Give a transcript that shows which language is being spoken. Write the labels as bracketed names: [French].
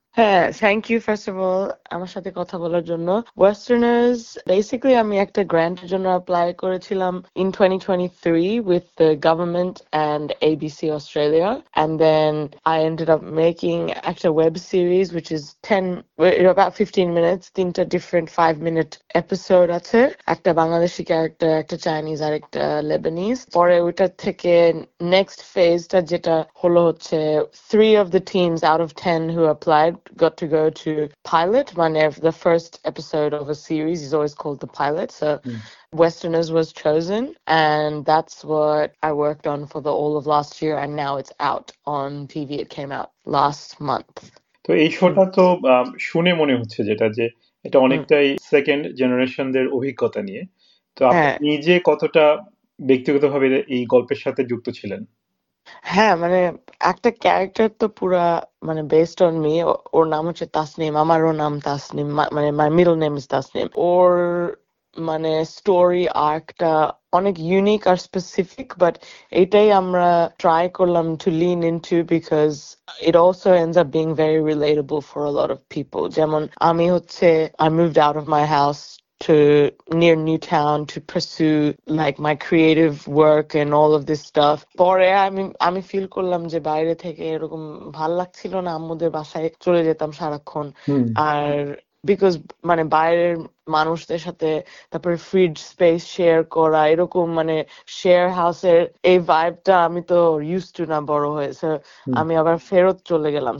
[English] হ্যাঁ, thank you first of all [Bangla] আমার সাথে কথা বলার জন্য। [English] Westerners basically [Bangla] আমি একটা গ্রান্টের জন্য অ্যাপ্লাই করেছিলাম [English] in 2023 with the government and ABC Australia, and then I ended up making একটা web series which is 10 about 15 minutes, [Bangla] তিনটা ডিফারেন্ট 5 মিনিট এপিসোড আছে, একটা বাংলাদেশি ক্যারেক্টার, একটা চাইনিজ আর একটা লেবানিজ। পরে ওইটার থেকে নেক্সট ফেজটা যেটা হলো হচ্ছে [English] 3 of the teams out of 10 who applied got to go to pilot, when the first episode of a series is always called the pilot, so Westerners was chosen, and that's what I worked on for the all of last year, and now it's out on TV. It came out last month. [Bangla] তো এই শোটা তো শুনে মনে হচ্ছে যেটা, যে এটা অনেকটাই সেকেন্ড জেনারেশন দের অভিজ্ঞতা নিয়ে, তো আপনি নিজে কতটা ব্যক্তিগতভাবে এই গল্পের সাথে যুক্ত ছিলেন? হ্যাঁ, মানে একটা ক্যারেক্টার তো পুরো মানে বেসড অন মি। ওর নাম হচ্ছে তাসনিম, আমারও নাম তাসনিম, মানে [English] My middle name is Tasnim. [Bangla] ওর মানে স্টোরি আর্কটা অনেক ইউনিক আর স্পেসিফিক, বাট এটাই আমরা ট্রাই করলাম [English] To lean into, because it also ends up being very relatable for a lot of people. [Bangla] যেমন আমি হচ্ছে [English] I moved out of my house to near new town to pursue like my creative work and all of this stuff. [Bangla] Pore [English] I feel [Bangla] korlam je baire theke erokom bhal lagchilo na, ammuder bashay chole jetam sarakkhon, ar because mane baire মানুষদের সাথে, তারপরে fridge space share করা, এরকম মানে share house এর এই ভাইবটা আমি তো ইউজ টু না বড় হয়ে, সো আমি আবার ফেরত চলে গেলাম।